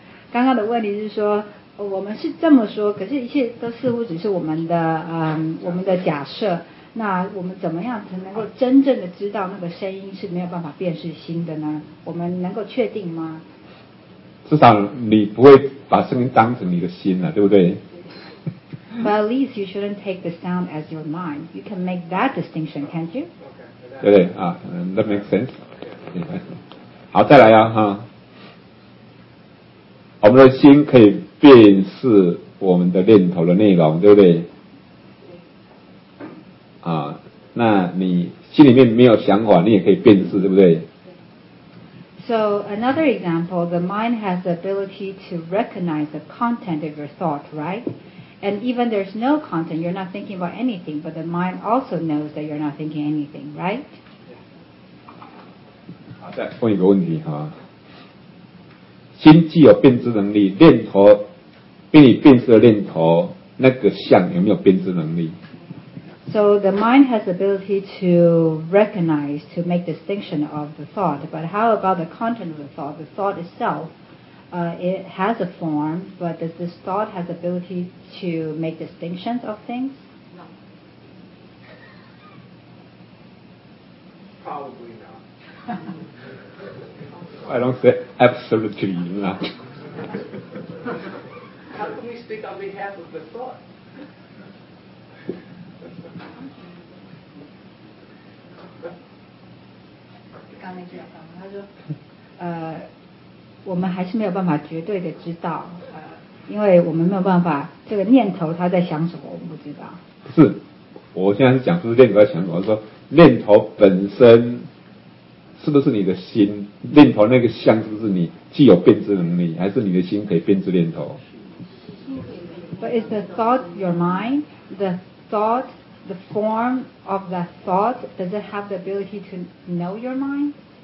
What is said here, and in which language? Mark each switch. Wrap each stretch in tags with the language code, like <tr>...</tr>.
<zh>刚刚的问题是说，我们是这么说，可是一切都似乎只是我们的我们的假设。那我们怎么样才能够真正的知道那个声音是没有办法辨识心的呢？我们能够确定吗？至少你不会把声音当成你的心了，对不对？</zh> <en>But at least you shouldn't take the sound as your mind. You can make that distinction, can't you? Okay, that</en> <zh>对啊、</zh> <en>that makes sense. Yeah.</en> <zh>好，再来啊哈。我们的心可以辨识我们的念头的内容，对不对？啊，那你心里面没有想法，你也可以辨识，对不对？</zh> <en>So another example, the mind has the ability to recognize the content of your thought, right? And even there's no content, you're not thinking about anything, but the mind also knows that you're not thinking anything, right?</en> <zh>好，再问一个问题哈。心既有辨知能力，念头被你辨识的念头，那个相有没有辨知能力？</zh> <en>So the mind has the ability to recognize, to make distinction of the thought, but how about the content of the thought itself? It has a form, but does this thought have the ability to make distinctions of things? No. Probably not. I don't say absolutely not. How can we speak on behalf of the thought?</en> <zh>我们还是没有办法绝对的知道，因为我们没有办法，这个念头它在想什么，我们不知道。不是，我现在是讲，就是念头在想什么，说念头本身是不是你的心？念头那个像是不是你既有辨知能力，还是你的心可以辨知念头</zh> <en>？But is the thought your mind? The thought, the form of that thought, does it have the ability to know your mind?</en>